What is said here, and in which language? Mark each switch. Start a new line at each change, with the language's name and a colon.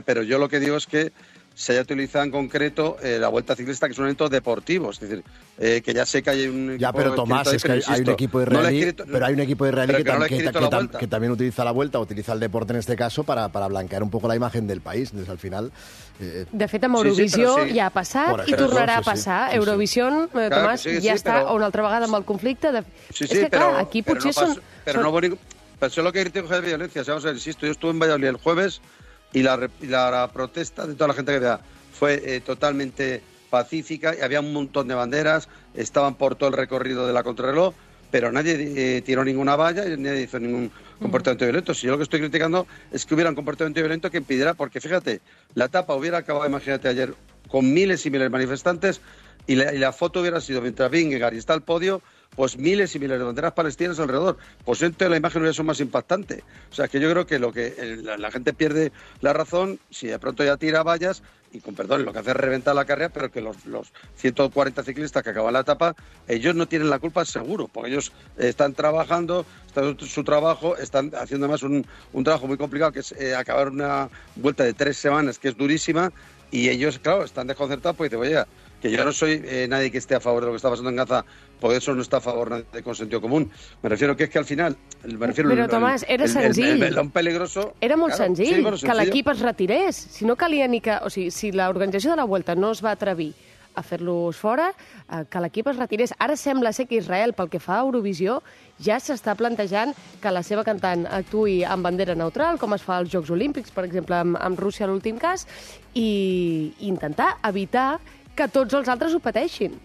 Spanish: Pero yo lo que digo es que se haya utilizado en concreto la Vuelta Ciclista, que es un evento deportivo. Es decir, que ya sé que hay un equipo... Ya, pero Tomás, es que hay un equipo israelí... Pero hay un equipo israelí que también utiliza la Vuelta, utiliza el deporte en este caso, para blanquear un poco la imagen del país, desde el final.
Catalan: De fet, amb Eurovisió ja ha passat i tornarà a passar. Eurovisió, Tomàs, ja està una altra vegada amb el conflicte. És que, clar, aquí potser són... Però no vull... Però això és el que critico de violència. O sigui,
Spanish: insisto, jo estuve en Valladolid el jueves y la protesta de toda la gente que había fue totalmente pacífica, y había un montón de banderas, estaban por todo el recorrido de la contrarreloj, pero nadie tiró ninguna valla y nadie hizo ningún comportamiento violento. Si yo lo que estoy criticando es que hubiera un comportamiento violento que impidiera, porque fíjate, la etapa hubiera acabado, imagínate, ayer con miles y miles de manifestantes, y la foto hubiera sido, mientras Vingegaard está al podio, pues miles y miles de banderas palestinas alrededor. Pues entonces la imagen hubiera sido más impactante. O sea, que yo creo que la gente pierde la razón si de pronto ya tira vallas y, con perdón, lo que hace es reventar la carrera, pero que los 140 ciclistas que acaban la etapa, ellos no tienen la culpa, seguro, porque ellos están trabajando, están haciendo su trabajo, están haciendo además un trabajo muy complicado, que es acabar una vuelta de 3 semanas, que es durísima, y ellos, claro, están desconcertados, pues dicen, oye, que yo no soy nadie que esté a favor de lo que está pasando en Gaza, por eso no está a favor de consentido común. Me refiero que es que al final...
Catalan: Pero Tomás, era senzill.
Spanish: El melón peligroso...
Catalan: Era molt senzill, que l'equip es retirés. Si no calia ni que... O sigui, si l'organització de la Vuelta no es va atrevir a fer-los fora, que l'equip es retirés. Ara sembla ser que Israel, pel que fa a Eurovisió, ja s'està plantejant que la seva cantant actuï amb bandera neutral, com es fa als Jocs Olímpics, per exemple, amb Rússia en l'últim cas, i intentar evitar que tots els altres ho pateixin.